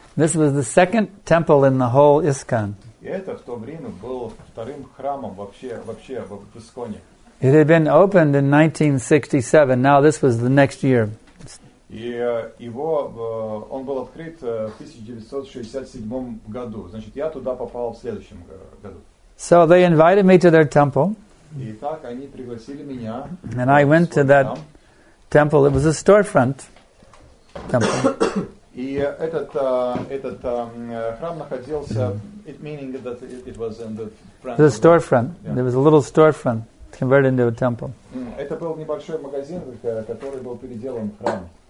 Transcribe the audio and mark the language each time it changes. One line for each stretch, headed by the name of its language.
English: This was the second temple in the whole ISKCON.
Russian: И это в то время был вторым храмом вообще в Исконе.
English: It had been opened in 1967. Now this was the next year.
Russian: И его он был открыт в 1967 году. Значит, я туда попал в следующем году.
English: So they invited me to their temple.
Russian: И так они пригласили меня.
English: And I went to that temple. It was a storefront temple.
Russian: И этот храм находился,
English: it meaning that it was in the front. The storefront. Yeah. There was a little storefront converted into a temple.
Russian: Это был небольшой магазин, который был переделан в храм.